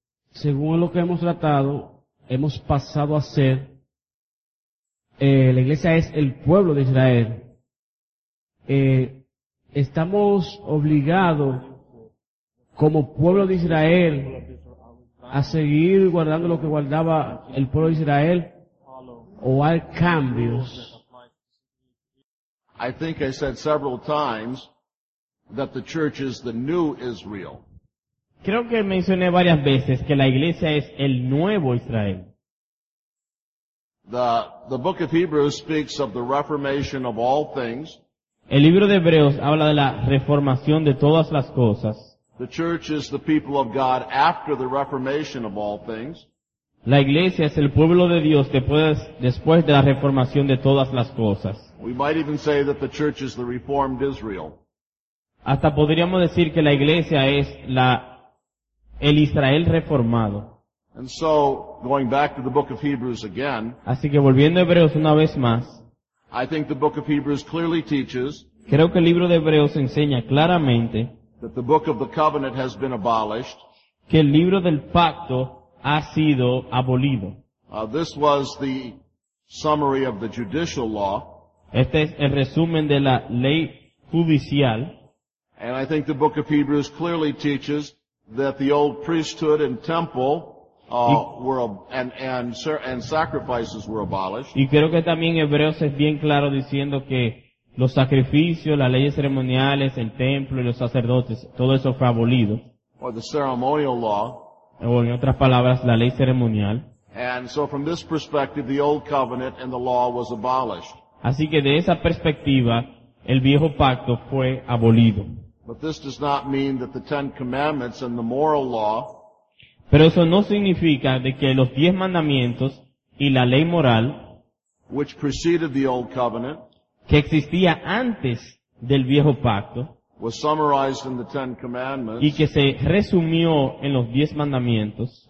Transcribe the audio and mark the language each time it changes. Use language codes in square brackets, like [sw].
[es] Según lo que hemos tratado, hemos pasado a ser, la iglesia es el pueblo de Israel. Estamos obligados como pueblo de Israel a seguir guardando lo que guardaba el pueblo de Israel, o hay cambios. [en] I think I said several times that the church is the new Israel. [es] Creo que mencioné varias veces que la iglesia es el nuevo Israel. [en] The book of Hebrews speaks of the reformation of all things. [es] El libro de Hebreos habla de la reformación de todas las cosas. [en] The church is the people of God after the reformation of all things. [es] La iglesia es el pueblo de Dios después de la reformación de todas las cosas. [en] We might even say that the church is the reformed Israel. [es] Hasta podríamos decir que la iglesia es el Israel reformado. [en] And so, going back to the book of Hebrews again, [es] así que volviendo a Hebreos una vez más, [en] I think the book of Hebrews clearly teaches, [es] creo que el libro de Hebreos enseña claramente, [en] that the book of the covenant has been abolished, [es] que el libro del pacto ha sido abolido. [en] This was the summary of the judicial law. [es] Este es el resumen de la ley judicial. [en] And I think the book of Hebrews clearly teaches that the old priesthood and temple were sacrifices were abolished. [es] Y creo que también Hebreos es bien claro diciendo que los sacrificios, las leyes ceremoniales, el templo y los sacerdotes, todo eso fue abolido. [en] Or the ceremonial law. [es] O en otras palabras, la ley ceremonial. [en] And so from this perspective, the old covenant and the law was abolished. [es] Así que de esa perspectiva, el viejo pacto fue abolido. [en] But this does not mean that the Ten Commandments and the moral law. [es] Pero eso no significa de que los 10 mandamientos y la ley moral, [en] which preceded the old covenant, [es] que existía antes del viejo pacto, [en] was summarized in the Ten Commandments, [es] y que se resumió en los 10 mandamientos,